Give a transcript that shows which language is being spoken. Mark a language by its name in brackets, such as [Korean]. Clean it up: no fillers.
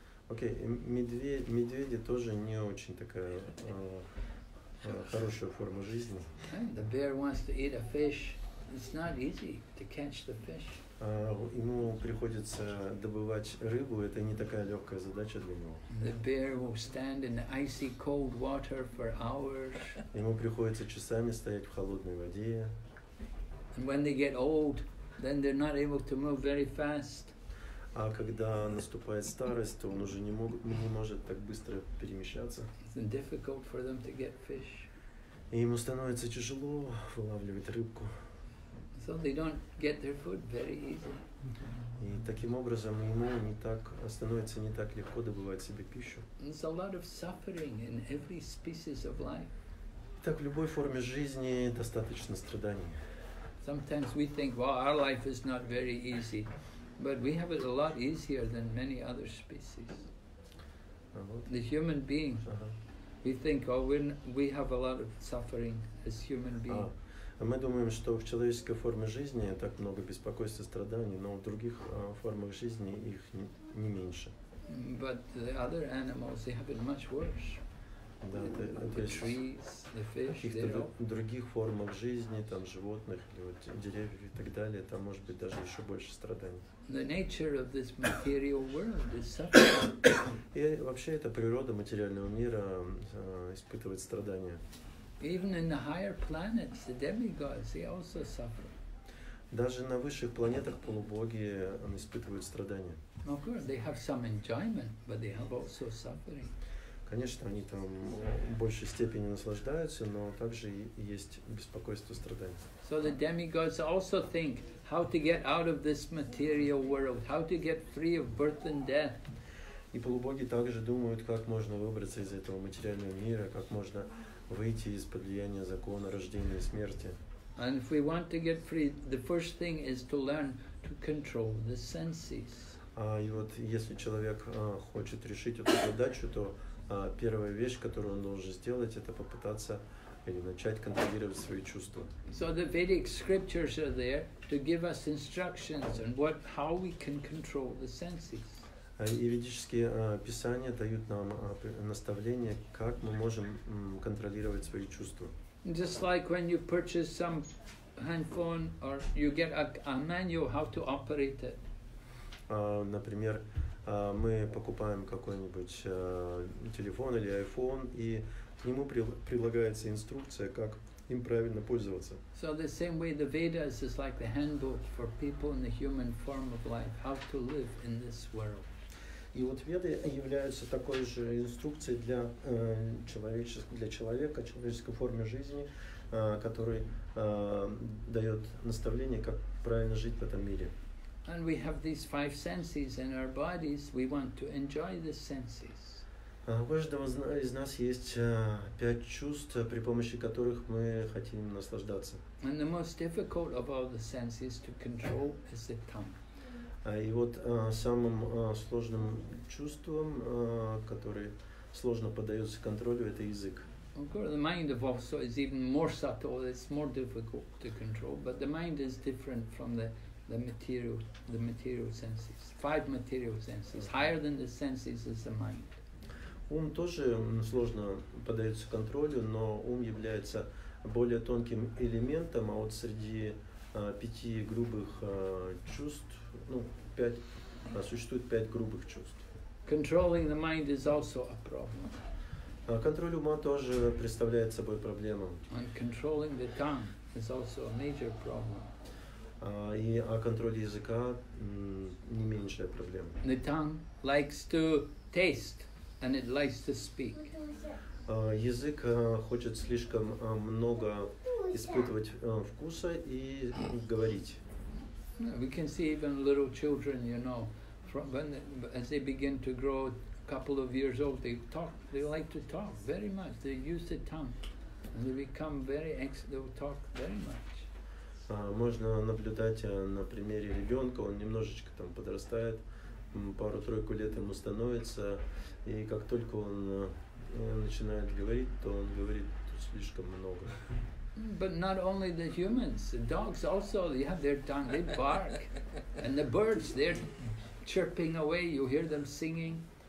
[Russian] Окей, медведи тоже не очень такая хорошая форма жизни. [English] The bear wants to eat a fish. It's not easy to catch the fish. [Russian] Ему приходится добывать рыбу. Это не такая легкая задача для него. [English] The bear will stand in the icy cold water for hours. [Russian] Ему приходится часами стоять в холодной воде. [English] And when they get old, then they're not able to move very fast. [Russian] А когда наступает старость, то он уже не может так быстро перемещаться. [English] It's difficult for them to get fish. [Russian] И ему становится тяжело вылавливать рыбку. [English] So they don't get their food very easy. [Russian] И таким образом ему становится не так легко добывать себе пищу. [English] There's a lot of suffering in every species of life. [Russian] Так в любой форме жизни достаточно страданий. [English] Sometimes we think, well, our life is not very easy, but we have it a lot easier than many other species. The human being, we think, oh, we have a lot of suffering as human being. [Russian] Мы думаем, что в человеческой форме жизни так много беспокойств и страданий, но в других формах жизни их не меньше. [English] But the other animals, they have it much worse. [Russian] В каких-то других формах жизни, там животных, или вот деревьев и так далее, там может быть даже еще больше страданий. [English] The nature of this material world is suffering. [Russian] И вообще это природа материального мира испытывает страдания. [English] Even in the higher planets, the demigods, they also suffer. [Russian] Даже на высших планетах полубоги испытывают страдания. [English] Of course, they have some enjoyment, but they have also suffering. [Russian] Конечно, они там в большей степени наслаждаются, но также есть беспокойство, страдания. [English] So the demigods also think how to get out of this material world, how to get free of birth and death. [Russian] И полубоги также думают, как можно выбраться из этого материального мира, как можно выйти из-под влияния закона рождения и смерти. [English] And if we want to get free, the first thing is to learn to control the senses. [Russian] А и вот если человек хочет решить эту задачу, то первая вещь, которую он должен сделать, это попытаться или начать контролировать свои чувства. [English] So the Vedic scriptures are there to give us instructions on what, how we can control the senses. [Russian] И ведические писания дают нам наставления, как мы можем контролировать свои чувства. [English] Just like when you purchase some handphone or you get a manual how to operate it. [Russian] Например, мы покупаем какой-нибудь телефон или iPhone, и к нему прилагается инструкция, как им правильно пользоваться. [English] So the same way the Vedas is like the handbook for people in the human form of life, how to live in this world. [Russian] И вот Веды являются такой же инструкцией для человека, человеческой форме жизни, который дает наставление, как правильно жить в этом мире. [English] And we have these five senses in our bodies. We want to enjoy the senses. [Russian] У каждого из нас есть пять чувств, при помощи которых мы хотим наслаждаться. [English] And the most difficult of all the senses to control is the tongue. [Russian] И вот самым сложным чувством, которое сложно поддается контролю, это язык. [English] Of course, the mind of also is even more subtle. It's more difficult to control, but the mind is different from the material senses, five material senses, higher than the senses is the mind. [Russian] Ум тоже сложно поддается контролю, но ум является более тонким элементом, а вот среди пяти грубых чувств, существует пять грубых чувств. [English] Controlling the mind is also a problem. [Russian] Контроль ума тоже представляет собой проблему. [English] And controlling the tongue is also a major problem. [Russian] А контроль языка не меньшая проблема. [English] The tongue likes to taste and it likes to speak. [Russian] Язык хочет слишком много испытывать вкуса и говорить. [English] We can see even little children, you know, as they begin to grow a couple of years old, they like to talk very much. They use the tongue and they become very excited, they will talk very much. [Russian] Можно наблюдать на примере ребенка, он немножечко там подрастает, пару-тройку лет ему становится, и как только он начинает говорить, то он говорит слишком много. [English] But not only the humans, the dogs also, they have their tongue, they bark. And the birds, they're chirping away, you hear them singing.